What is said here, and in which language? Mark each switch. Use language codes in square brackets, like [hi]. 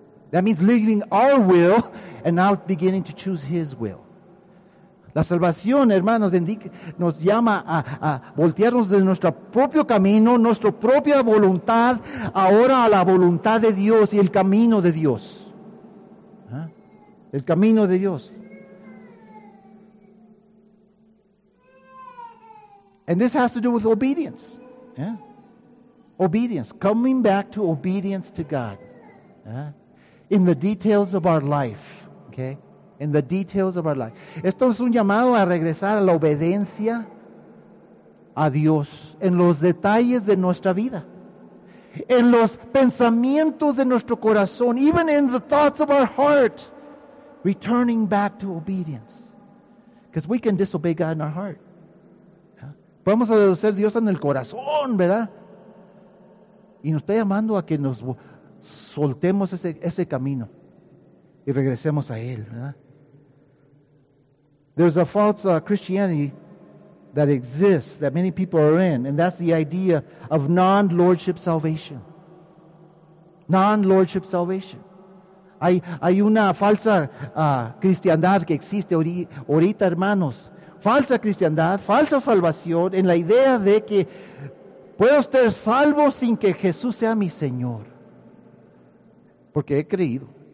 [en] That means leaving our will and now beginning to choose His will. [es] La salvación, hermanos, nos llama a voltearnos de nuestro propio camino, nuestra propia voluntad, ahora a la voluntad de Dios y el camino de Dios. ¿Eh? El camino de Dios. [en] And this has to do with obedience. Yeah. Obedience, coming back to obedience to God, yeah, in the details of our life, okay? In the details of our life. [es] Esto es un llamado a regresar a la obediencia a Dios en los detalles de nuestra vida, en los pensamientos de nuestro corazón, [en] even in the thoughts of our heart, returning back to obedience. Because we can disobey God in our heart. Yeah. [es] Podemos obedecer a Dios en el corazón, ¿verdad? Y nos está llamando a que nos soltemos ese camino y regresemos a Él, ¿verdad? [en] There's a false Christianity that exists, that many people are in, and that's the idea of non-lordship salvation. Non-lordship salvation. [es] Hay una falsa cristiandad que existe ahorita, hermanos. Falsa cristiandad, falsa salvación, en la idea de que puedo ser salvo sin que Jesús sea mi Señor. Porque he creído.